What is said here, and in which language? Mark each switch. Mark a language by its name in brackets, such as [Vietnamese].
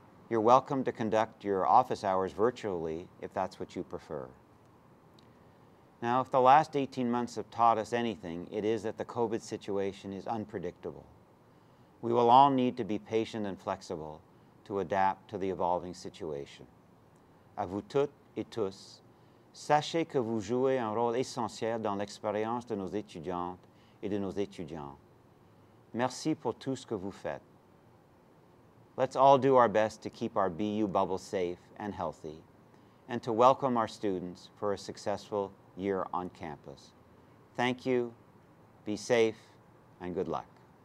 [English] You're welcome to conduct your office hours virtually if that's what you prefer. Now, if the last 18 months have taught us anything, it is that the COVID situation is unpredictable. We will all need to be patient and flexible to adapt to the evolving situation. [French] À vous toutes et tous, sachez que vous jouez un rôle essentiel dans l'expérience de nos étudiantes et de nos étudiants. Merci pour tout ce que vous faites. [English] Let's all do our best to keep our BU bubble safe and healthy, and to welcome our students for a successful year on campus. Thank you, be safe, and good luck.